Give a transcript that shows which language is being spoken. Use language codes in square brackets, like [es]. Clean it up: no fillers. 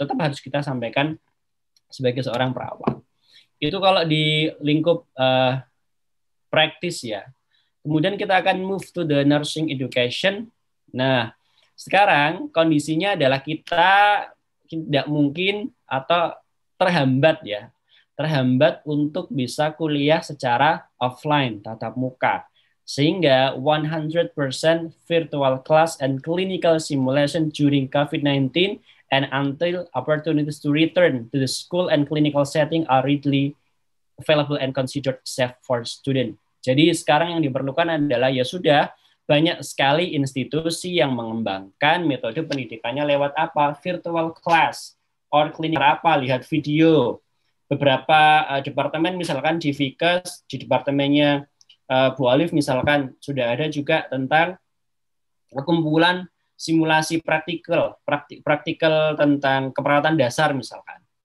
[id] Tetap harus kita sampaikan sebagai seorang perawat. Itu kalau di lingkup praktis ya. Kemudian kita akan [en] move to the nursing education. [id] Nah, sekarang kondisinya adalah kita tidak mungkin atau terhambat ya. Terhambat untuk bisa kuliah secara offline, tatap muka. [en] Sehingga 100% virtual class and clinical simulation during COVID-19 and until opportunities to return to the school and clinical setting are readily available and considered safe for students. [id] Jadi sekarang yang diperlukan adalah ya sudah banyak sekali institusi yang mengembangkan metode pendidikannya lewat apa? [en] Virtual class or clinical [id] apa? Lihat video. Beberapa departemen misalkan di Vikes, di departemennya Bu Alif misalkan sudah ada juga tentang kumpulan simulasi praktikal tentang keperawatan dasar misalkan.